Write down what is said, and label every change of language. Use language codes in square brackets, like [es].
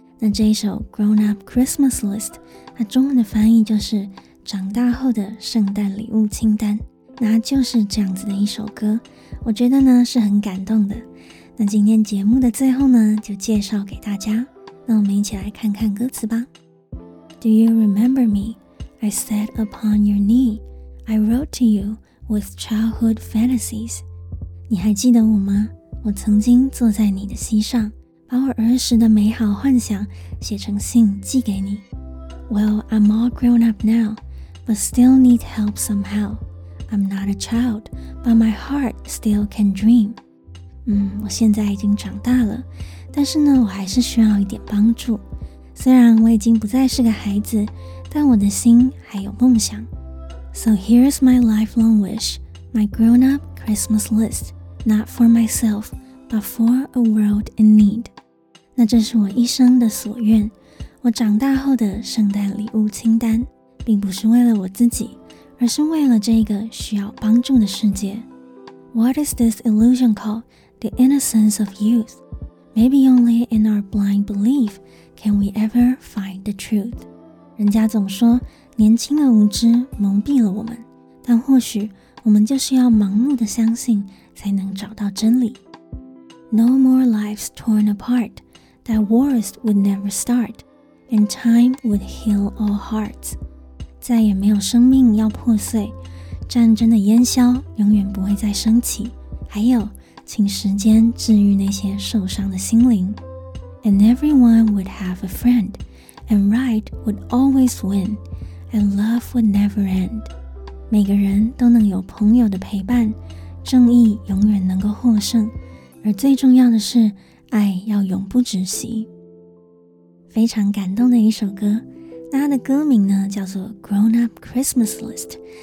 [zh] 那这一首 Grown Up Christmas List， 它中文的翻译就是长大后的圣诞礼物清单，那就是这样子的一首歌，我觉得呢是很感动的。那今天节目的最后呢，就介绍给大家，那我们一起来看看歌词吧。 [en] Do you remember me? I sat upon your knee. I wrote to you with childhood fantasies. [zh] 你还记得我吗？我曾经坐在你的膝上，把我儿时的美好幻想写成信寄给你。 [en] Well, I'm all grown up now, but still need help somehow. I'm not a child, but my heart still can dream. [zh] 我现在已经长大了，但是呢，我还是需要一点帮助。虽然我已经不再是个孩子，但我的心还有梦想。 [en] So here's my lifelong wish, my grown-up Christmas list, not for myself, but for a world in need. [zh] 那这是我一生的所愿，我长大后的圣诞礼物清单，并不是为了我自己，而是为了这个需要帮助的世界。 [en] What is this illusion called? The innocence of youth? Maybe only in our blind belief can we ever find the truth. [zh] 人家总说年轻的无知蒙蔽了我们，但或许我们就是要盲目的相信才能找到真理。 [en] No more lives torn apart, that wars would never start, and time would heal all hearts. [zh] 再也没有生命要破碎，战争的烟消永远不会再升起，还有请时间治愈那些受伤的心灵。 [en] And everyone would have a friend, and right would always win, and love would never end. [zh] 每个人都能有朋友的陪伴，正义永远能够获胜，而最重要的是爱要永不止息。非常感动的一首歌，那它的歌名呢叫做 Grown Up Christmas List。